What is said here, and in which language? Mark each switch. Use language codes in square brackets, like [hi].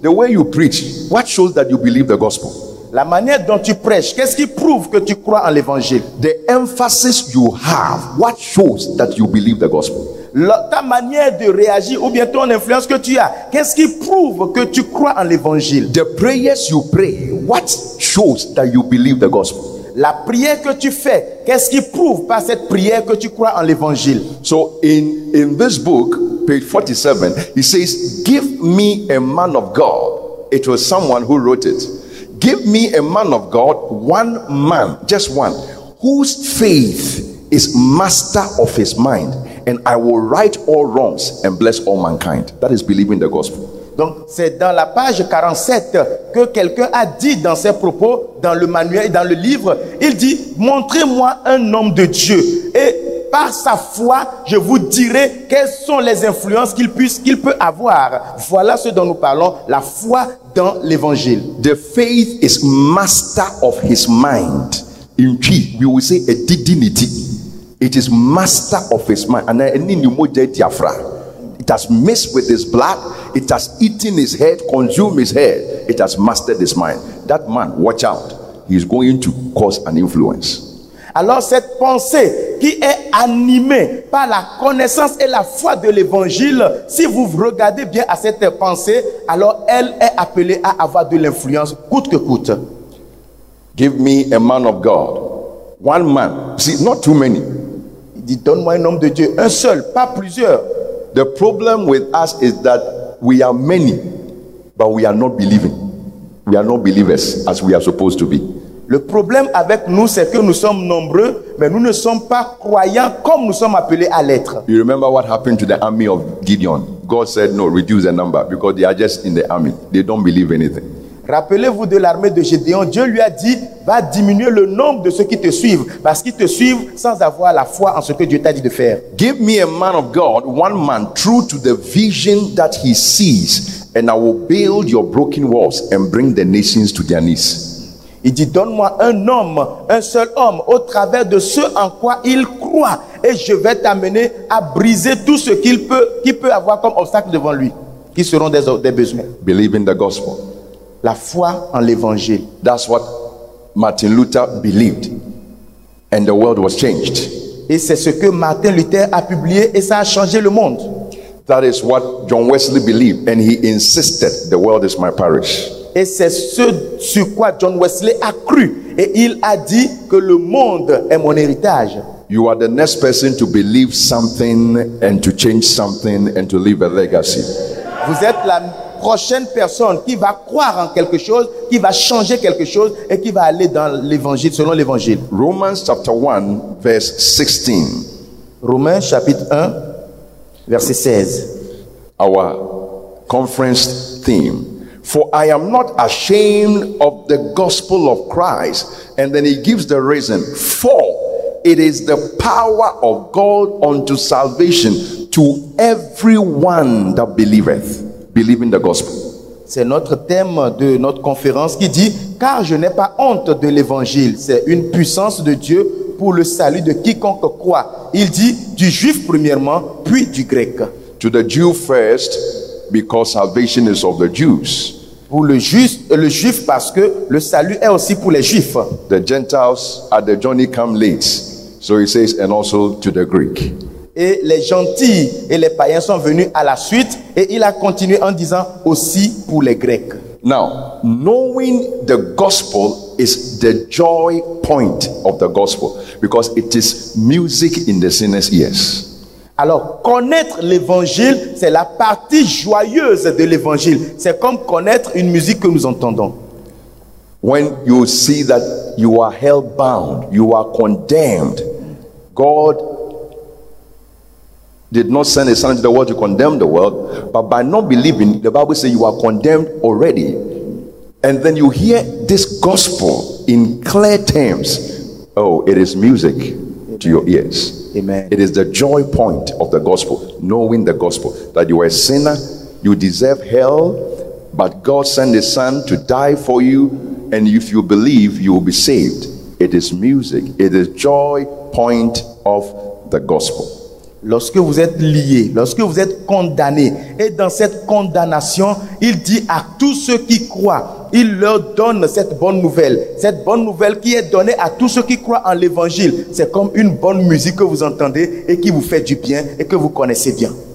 [en] The way you preach, what shows that you believe the gospel? [fr] La manière dont tu prêches, qu'est-ce qui prouve que tu crois en l'évangile? [en] The emphasis you have, what shows that you believe the gospel? [fr] Ta manière de réagir ou bien ton influence que tu as, qu'est-ce qui prouve que tu crois en l'évangile? [en] The prayers you pray, what shows that you believe the gospel? [fr] La prière que tu fais, qu'est-ce qui prouve par cette prière que tu crois en l'évangile? [en] So in this book, page 47, he says, give me a man of God. It was someone who wrote it. Give me a man of God, one man, just one, whose faith is master of his mind, and I will right all wrongs and bless all mankind. That is believing the gospel. [fr] Donc, c'est dans la page 47 que quelqu'un a dit dans ses propos, dans le manuel, dans le livre, il dit, montrez-moi un homme de Dieu, et par sa foi, je vous dirai quelles sont les influences qu'il peut avoir. Voilà ce dont nous parlons, la foi dans l'évangile. [en] The faith is master of his mind. In key, we will say a divinity. It is master of his mind. And then in pneumodia diaphra, it has mixed with his blood. It has eaten his head, consumed his head. It has mastered his mind. That man, watch out. He is going to cause an influence. [fr] Alors cette pensée qui est animée par la connaissance et la foi de l'évangile, si vous regardez bien à cette pensée, alors elle est appelée à avoir de l'influence coûte que coûte. [en] Give me a man of God. One man. See, not too many. [fr] Il dit, donne-moi un homme de Dieu. Un seul, pas plusieurs. [en] The problem with us is that we are many, but we are not believing. We are not believers as we are supposed to be. [fr] Le problème avec nous, c'est que nous sommes nombreux, mais nous ne sommes pas croyants comme nous sommes appelés à l'être. [en] You remember what happened to the army of Gideon? God said, no, reduce the number because they are just in the army. They don't believe anything. [fr] Rappelez-vous de l'armée de Gédéon. Dieu lui a dit, va diminuer le nombre de ceux qui te suivent, parce qu'ils te suivent sans avoir la foi en ce que Dieu t'a dit de faire. [en] Give me a man of God, one man, true to the vision that he sees, and I will build your broken walls and bring the nations to their knees. [fr] Il dit, donne-moi un homme, un seul homme, au travers de ce en quoi il croit, et je vais t'amener à briser tout ce qu'il peut avoir comme obstacle devant lui, qui seront des besoins. [en] Believe in the gospel. [fr] La foi en l'évangile. [en] That's what Martin Luther believed. And the world was changed. [fr] Et c'est ce que Martin Luther a publié et ça a changé le monde. [en] That is what John Wesley believed. And he insisted, the world is my parish. [fr] Et c'est ce sur quoi John Wesley a cru. Et il a dit que le monde est mon héritage. [en] You are the next person to believe something and to change something and to leave a legacy. [fr] Vous êtes la prochaine personne qui va croire en quelque chose, qui va changer quelque chose et qui va aller dans l'évangile, selon l'évangile. [en] Romans chapter 1, verse 16. [fr] Romains chapitre 1, verset 16. [en] Our conference theme. For I am not ashamed of the gospel of Christ. And then he gives the reason. For it is the power of God unto salvation to everyone that believeth. Believe in the gospel. [fr] C'est notre thème de notre conférence qui dit, car je n'ai pas honte de l'évangile, c'est une puissance de Dieu pour le salut de quiconque croit. Il dit, du juif premièrement, puis du grec. [en] To the Jew first, because salvation is of the Jews. [fr] Pour le juif parce que le salut est aussi pour les juifs. [en] The Gentiles at the journey come late. So he says, and also to the Greek. [fr] Et les gentils et les païens sont venus à la suite et il a continué en disant aussi pour les Grecs. [en] Now, knowing the gospel is the joy point of the gospel because it is music in the sinner's ears. [fr] Alors, connaître l'évangile, c'est la partie joyeuse de l'évangile. C'est comme connaître une musique que nous entendons. [en] When you see that you are held bound, you are condemned, God did not send his son into the world to condemn the world, but by not believing, the Bible says you are condemned already. And then you hear this gospel in clear terms. Oh, it is music Amen. To your ears. Amen. It is the joy point of the gospel, knowing the gospel, that you are a sinner, you deserve hell, but God sent his son to die for you, and if you believe, you will be saved. It is music. It is joy point of the gospel. [fr] Lorsque vous êtes lié, lorsque vous êtes condamné, et dans cette condamnation, il dit à tous ceux qui croient, il leur donne cette bonne nouvelle qui est donnée à tous ceux qui croient en l'évangile. C'est comme une bonne musique que vous entendez et qui vous fait du bien et que vous connaissez bien.